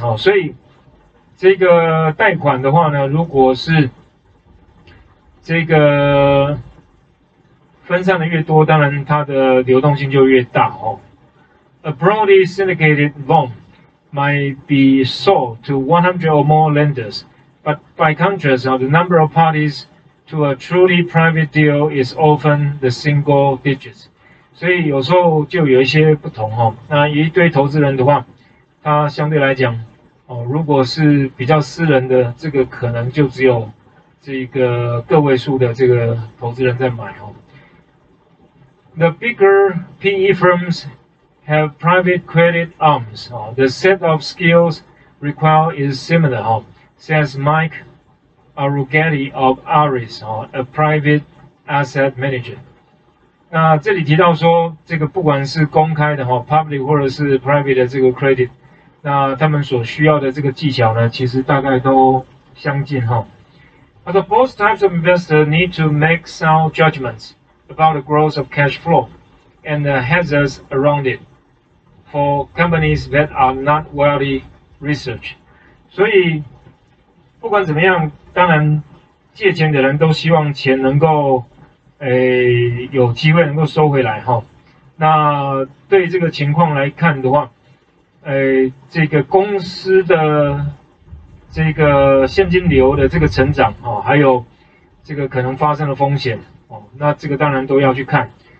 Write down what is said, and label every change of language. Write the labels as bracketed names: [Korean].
[Chinese] 哦，所以这个贷款的话呢，如果是这个分散的越多，当然它的流动性就越大哦。 [English] A broadly syndicated loan might be sold to 100 or more lenders, but by contrast, the number of parties To a truly private deal is often the single digits， [Chinese] 所以有时候就有一些不同哈、哦。那一对投资人的话，他相对来讲，哦，如果是比较私人的，这个可能就只有这个个位数的这个投资人在买哦。 [English] The bigger PE firms have private credit arms，哦，the set of skills required is similar，哦，says Mike。 Arugetti of Ares, a private asset manager. [Chinese] 那这里提到说，这个不管是公开的哈 public 或者是 private 的这个 credit， 那他们所需要的这个技巧呢，其实大概都相近哈。 [English] But both types of investors need to make sound judgments about the growth of cash flow and the hazards around it for companies that are not widely researched。 [Chinese] 所以，不管怎么样，当然借钱的人都希望钱能够，有机会能够收回来哈。那对这个情况来看的话，这个公司的这个现金流的这个成长哦，还有这个可能发生的风险哦，那这个当然都要去看。